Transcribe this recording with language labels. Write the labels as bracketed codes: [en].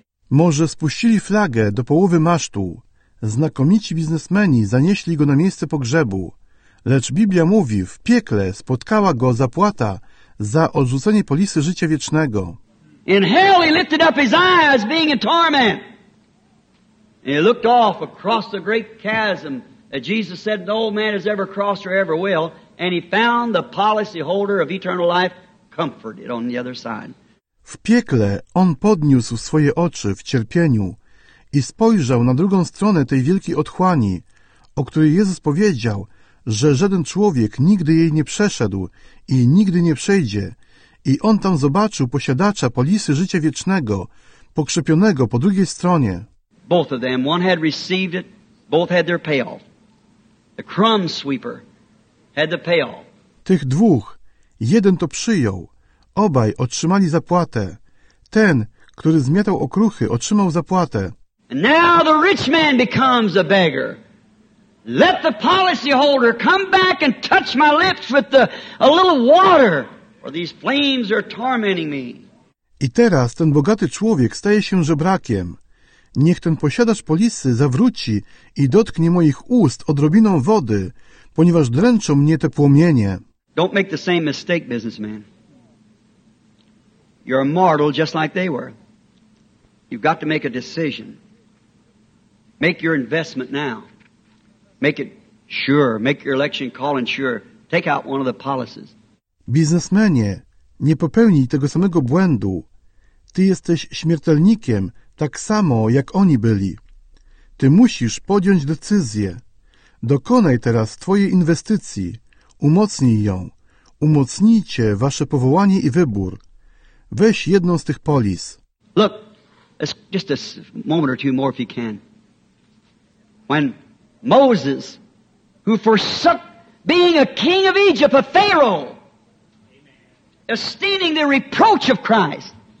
[pl] Może spuścili flagę do połowy masztu. Znakomici biznesmeni zanieśli go na miejsce pogrzebu. Lecz Biblia mówi, w piekle spotkała go zapłata za odrzucenie polisy życia wiecznego. [en] In hell he lifted up his eyes, being in torment. And he looked off across the great chasm that Jesus said no man has ever crossed or ever will, and he found the policy holder of eternal life comforted on the other side. [pl] W piekle on podniósł swoje oczy w cierpieniu i spojrzał na drugą stronę tej wielkiej otchłani, o której Jezus powiedział, że żaden człowiek nigdy jej nie przeszedł i nigdy nie przejdzie. I on tam zobaczył posiadacza polisy życia wiecznego, pokrzepionego po drugiej stronie. [en] Both of them, one had received it, both had their pail. The crumb sweeper had the pail. [pl] Tych dwóch, jeden to przyjął. Obaj otrzymali zapłatę. Ten, który zmiatał okruchy, otrzymał zapłatę. [en] And now the rich man becomes a beggar. Let the policy holder come back and touch my lips with a little water, or these flames are tormenting me. [pl] I teraz ten bogaty człowiek staje się żebrakiem. Niech ten posiadacz polisy zawróci i dotknie moich ust odrobiną wody, ponieważ dręczą mnie te płomienie. [en] Don't make the same mistake, businessman. You're a mortal just like they were. You've got to make a decision. Make your investment now. Make it sure. Make your election call and sure. Take out one of the policies. [pl] Biznesmenie, nie popełnij tego samego błędu. Ty jesteś śmiertelnikiem, tak samo jak oni byli. Ty musisz podjąć decyzję. Dokonaj teraz twojej inwestycji. Umocnij ją. Umocnijcie wasze powołanie i wybór. Weź jedną z tych polis. [en] Look, just a moment or two more if you can. When Moses, who forsook being a king of Egypt, a Pharaoh, esteeming the reproach of Christ.